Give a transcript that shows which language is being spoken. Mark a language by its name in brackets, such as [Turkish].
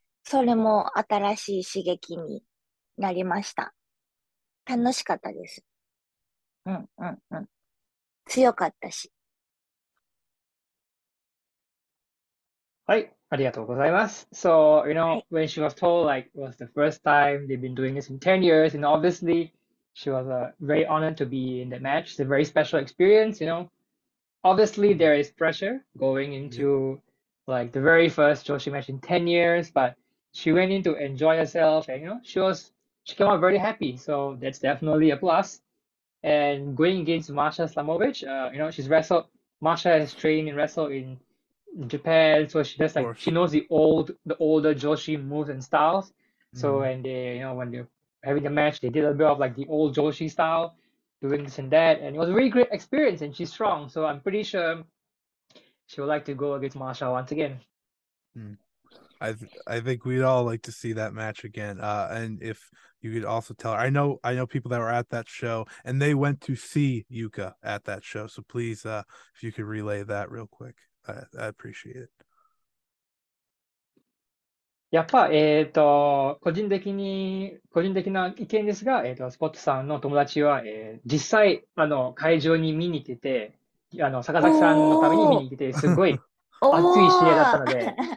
[Japanese] それも新しい刺激になりました。楽しかったです。強かったし。はい、ありがとうございます。 [English] So, you know,、はい、when she was told, like, it was the first time they've been doing this in 10 years, and obviously, she was、very honored to be in the match. It's a very special experience, you know. Obviously, there is pressure going into,、yeah. like, the very first Joshi match in 10 years, but she went in to enjoy herself, and, you know, she came out very happy. So, that's definitely a plus. And going against Masha Slamovic,、you know, she's wrestled, Masha has trained and wrestled inJapan, so she just like she knows the older Joshi moves and styles. So、mm-hmm. when they, you know, when they're having a match, they did a bit of like the old Joshi style, doing this and that, and it was a really great experience. And she's strong, so I'm pretty sure she would like to go against Masha once again.、 Mm. I think we'd all like to see that match again. And if you could also tell her, I know people that were at that show and they went to see Yuka at that show. So please, if you could relay that real quick. I appreciate it. [Japanese] やっぱ、個人的な意見ですが、スポットさんの友達は、実際あの会場に見に来て、あの坂崎さんのために見に来て、すごい熱い試合だったので。